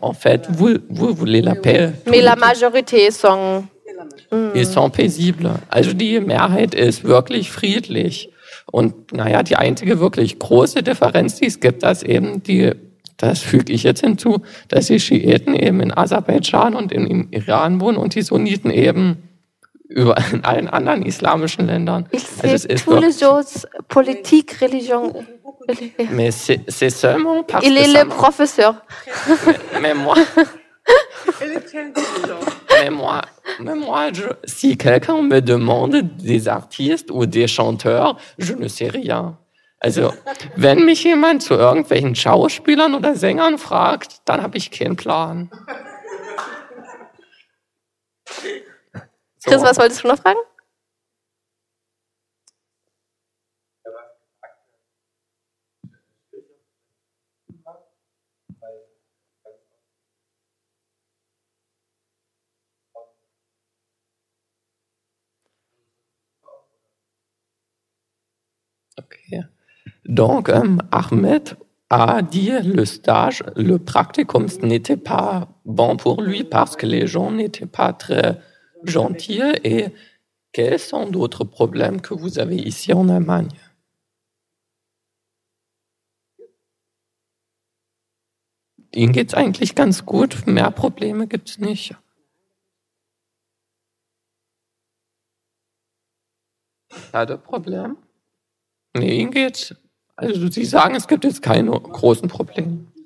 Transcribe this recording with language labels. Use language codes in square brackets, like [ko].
[fr] En fait, vous voulez la paix. Mais la majorité sont... Ils sont paisibles. [de] Also die Mehrheit ist wirklich friedlich. Und naja, die einzige wirklich große Differenz, die es gibt, ist eben die, das füge ich jetzt hinzu, dass die Schiiten eben in Aserbaidschan und im Iran wohnen und die Sunniten eben überall in allen anderen islamischen Ländern. [fr] Il est le professeur. Mais moi, si quelqu'un me demande des artistes ou des chanteurs, je ne sais rien. [de] Also, wenn mich jemand zu irgendwelchen Schauspielern oder Sängern fragt, dann habe ich keinen Plan. So. Chris, was wolltest du noch fragen? [fr] Donc, Ahmed a dit le stage, le practicum n'était pas bon pour lui parce que les gens n'étaient pas très gentils. Et quels sont d'autres problèmes que vous avez ici en Allemagne? [de] Ihm geht's eigentlich ganz gut, mehr Probleme gibt es nicht. [fr] Pas de problème? [de] Nee, ihm geht's. Also Sie sagen, es gibt jetzt keine großen Probleme.